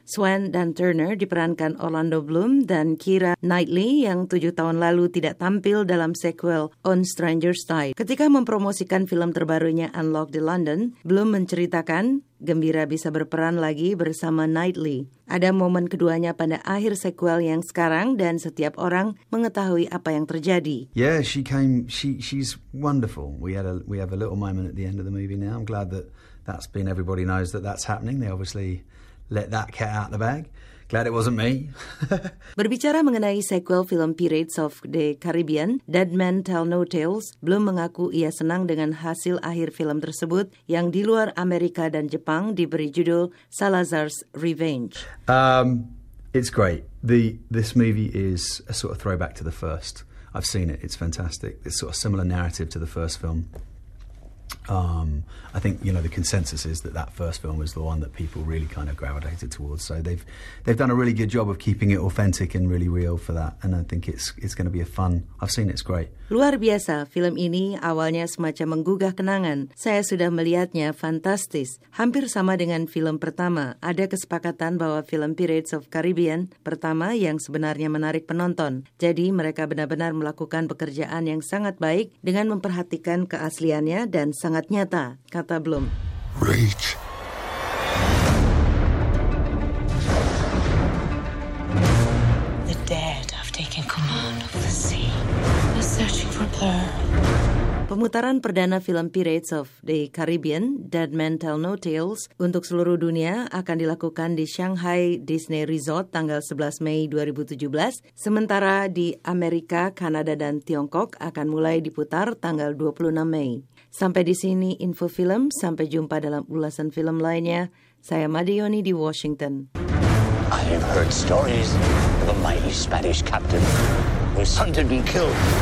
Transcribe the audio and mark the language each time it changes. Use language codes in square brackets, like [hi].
[id] Swann dan Turner diperankan Orlando Bloom dan Keira Knightley yang 7 tahun lalu tidak tampil dalam sequel On Stranger's Tide. Ketika mempromosikan film terbarunya Unlock the London, Bloom menceritakan, gembira bisa berperan lagi bersama Knightley. Ada momen keduanya pada akhir sequel yang sekarang dan setiap orang mengetahui apa yang terjadi. [en] Yeah, she's wonderful. We have a little moment at the end of the movie now. I'm glad that's been, everybody knows that's happening. They obviously let that cat out of the bag. Glad it wasn't me. [id] Berbicara mengenai sequel film Pirates of the Caribbean, Dead Men Tell No Tales, Bloom mengaku ia senang dengan hasil akhir film tersebut yang di luar Amerika dan Jepang diberi judul Salazar's Revenge. [en] It's great. This movie is a sort of throwback to the first. I've seen it. It's fantastic. It's sort of similar narrative to the first film. I think, you know, the consensus is that first film was the one that people really kind of gravitated towards. So they've done a really good job of keeping it authentic and really real for that. And I think it's going to be a fun. I've seen it, it's great. [id] Luar biasa, film ini awalnya semacam menggugah kenangan. Saya sudah melihatnya, fantastis. Hampir sama dengan film pertama. Ada kesepakatan bahwa film Pirates of Caribbean pertama yang sebenarnya menarik penonton. Jadi mereka benar-benar melakukan pekerjaan yang sangat baik dengan memperhatikan keasliannya dan sangat nyata, kata Bloom. [en] Rage. The dead have taken command of the sea. They're searching for her. [id] Pemutaran perdana film Pirates of the Caribbean, Dead Men Tell No Tales, untuk seluruh dunia akan dilakukan di Shanghai Disney Resort tanggal 11 Mei 2017, sementara di Amerika, Kanada, dan Tiongkok akan mulai diputar tanggal 26 Mei. Sampai di sini info film, sampai jumpa dalam ulasan film lainnya. Saya Madioni di Washington. [en] I have heard stories of a mighty Spanish captain whose son had been killed.